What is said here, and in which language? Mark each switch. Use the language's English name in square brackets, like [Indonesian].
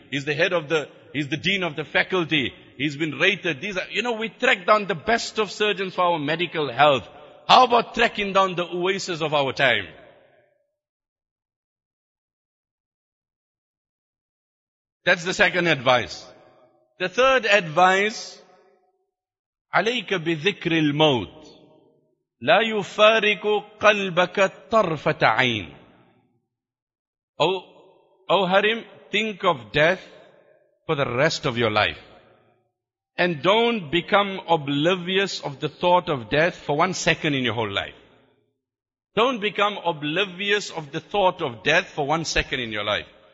[English] He's the dean of the faculty. He's been rated. We track down the best of surgeons for our medical health. How about tracking down the oasis of our time? That's the second advice. The third advice, [Arabic] عليك بذكر الموت لا يفارق قلبك طرفة عين. [English] Oh Harim, think of death for the rest of your life. And don't become oblivious of the thought of death for one second in your whole life. Don't become oblivious of the thought of death for one second in your life.